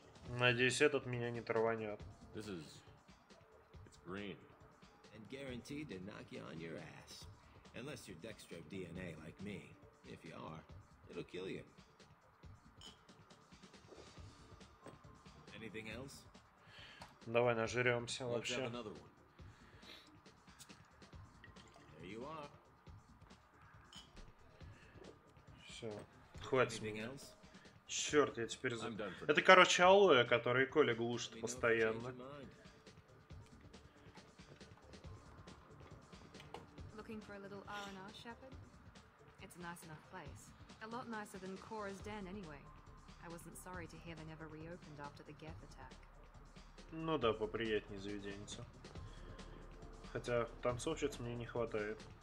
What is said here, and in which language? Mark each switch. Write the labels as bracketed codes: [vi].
[ru] Надеюсь, этот меня не траванет. [en] This is... It's green. And guaranteed to knock you on your ass. Unless you're Dextro DNA like me. If you are, it'll kill you. Anything else? [ru] Давай нажрёмся вообще. [en] There you are. [ru] Всё. Хватит меня. Чёрт, я теперь... Это, короче, алоэ, который Коля глушит постоянно. [en] Looking for a little R&R, Shepard? It's a nice enough place. A lot nicer than Cora's den, anyway. I wasn't sorry to hear they never reopened after the Geth attack. [ru] Ну да, поприятнее заведенце. Хотя танцовщиц мне не хватает.